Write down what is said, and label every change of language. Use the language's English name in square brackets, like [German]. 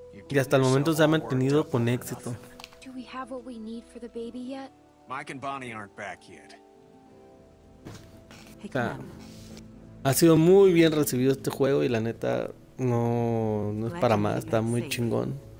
[Spanish] Y hasta el momento se ha mantenido con éxito. [English] Do we have what we need for the baby yet? Mike and Bonnie aren't back yet. [Spanish] Ha sido muy bien recibido este juego y la neta no es para más, está muy chingón.